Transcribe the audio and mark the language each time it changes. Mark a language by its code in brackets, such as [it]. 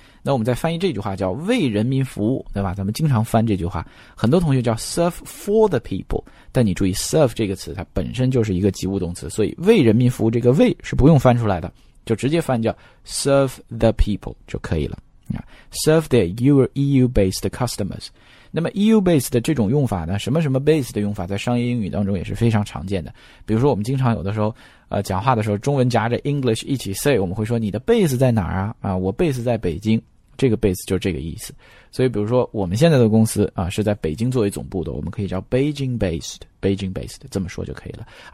[zh] 那我们再翻译这句话叫为人民服务，对吧？咱们经常翻这句话，很多同学叫 [en] serve for the people， [zh] 但你注意 serve 这个词它本身就是一个及物动词，所以为人民服务这个为是不用翻出来的，就直接翻叫 [en] serve the people [zh] 就可以了。 [en] Serve their EU-based customers。 [zh] 那么 EU-based 的这种用法呢，什么什么 based 的用法，在商业英语当中也是非常常见的。比如说我们经常有的时候讲话的时候中文夹着 English 一起 say， 我们会说你的 base 在哪儿啊？啊，我 base 在北京，这个 base 就是这个意思。所以比如说我们现在的公司啊是在北京作为总部的，我们可以叫 Beijing-based 这么说就可以了。